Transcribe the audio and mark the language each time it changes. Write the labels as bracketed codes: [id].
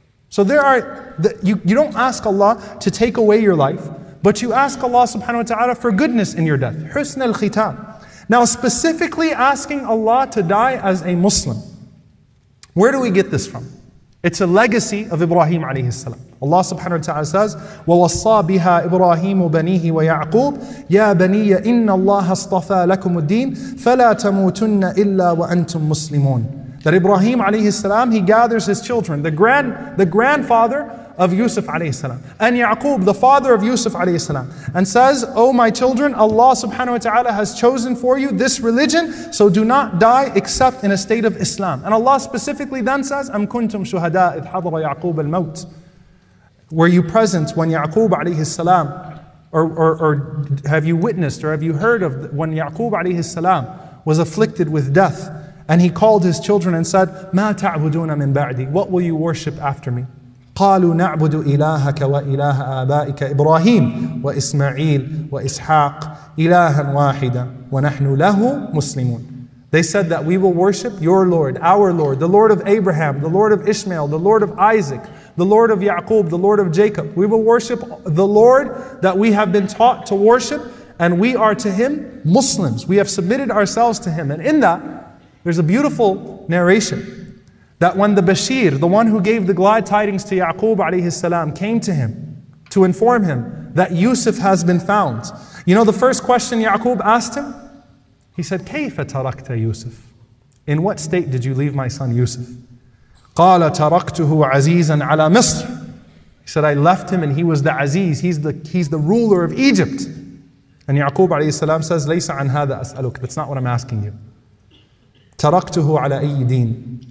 [en] So there are, you don't ask Allah to take away your life, but you ask Allah subhanahu wa ta'ala for goodness in your death. [ar] حُسْنَ الْخِتَام. [en] Now specifically asking Allah to die as a Muslim, where do we get this from? It's a legacy of Ibrahim alayhi salam. Allah subhanahu wa ta'ala says, [ar] وَوَصَّى بِهَا إِبْرَاهِيمُ بَنِيهِ وَيَعْقُوبُ يَا بَنِيَّ إِنَّ اللَّهَ اصْطَفَى لَكُمُ الدِّينَ فَلَا تَمُوتُنَّ إِلَّا وَأَنْتُمْ مُسْلِمُونَ. [en] That Ibrahim alayhi salam, he gathers his children, the grandfather of Yusuf alayhi salam, and Ya'qub, the father of Yusuf alayhi salam, and says, oh my children, Allah subhanahu wa ta'ala has chosen for you this religion, so do not die except in a state of Islam. And Allah specifically then says, [ar] أَمْ كُنْتُمْ شُهَدَاء إِذْ حَضَرَ يَعْقُوبَ الْمَوْتِ. [en] Were you present when Ya'qub alayhi salam, or have you witnessed, or have you heard of when Ya'qub alayhi salam was afflicted with death, and he called his children and said, [ar] مَا تَعْبُدُونَ مِنْ بَعْدِي. [en] What will you worship after me? [ar] قَالُوا نَعْبُدُ إِلَهَكَ وَإِلَهَ آبَائِكَ إِبْرَاهِيمَ وَإِسْمَعِيلَ وَإِسْحَاقَ إِلَهًا وَاحِدًا وَنَحْنُ لَهُ مُسْلِمُونَ. [en] They said that we will worship your Lord, our Lord, the Lord of Abraham, the Lord of Ishmael, the Lord of Isaac, the Lord of Ya'qub, the Lord of Jacob. We will worship the Lord that we have been taught to worship, and we are to Him Muslims. We have submitted ourselves to Him. And in that, there's a beautiful narration that when the Bashir, the one who gave the glad tidings to Ya'qub alayhi salam, came to him to inform him that Yusuf has been found. You know the first question Ya'qub asked him? He said, [ar] كَيْفَ تَرَكْتَ يُوسِف? [en] In what state did you leave my son Yusuf? [ar] قَالَ تَرَكْتُهُ عَزِيزًا عَلَى مِصْرٍ. [en] He said, I left him and he was the Aziz. He's the ruler of Egypt. And Ya'qub alayhi salam says, [ar] لَيْسَ عَنْ هَذَا أَسْأَلُكَ. [en] That's not what I'm asking you. [ar] تَرَكْتُهُ عَلَى أَيِّ دِينَ.